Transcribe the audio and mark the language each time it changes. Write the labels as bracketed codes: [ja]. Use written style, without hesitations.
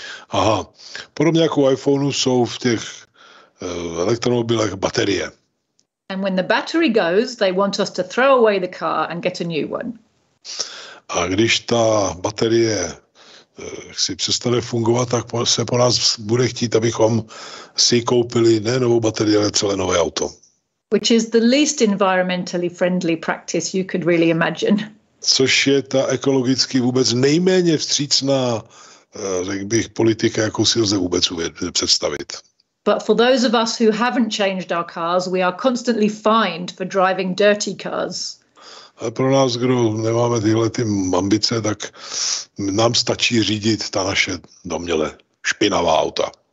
[cs] Aha, podobně jako iPhone jsou v těch elektromobilech baterie. [en] And when the battery goes, they want us to throw away the car and get a new one. [cs] A když ta baterie si přestane fungovat, tak se po nás bude chtít, abychom si koupili ne novou baterii, ale celé nové auto. [en] Which is the least environmentally friendly practice you could really imagine. [cs] Což je ta ekologicky vůbec nejméně vstřícná, řekl bych, politika, jakou si lze vůbec představit. [en] But for those of us who haven't changed our cars, we are constantly fined for driving dirty cars. [cs] A pro nás, kdo nemáme tyhle ty ambice, tak nám stačí řídit ta naše domněle špinavá auta.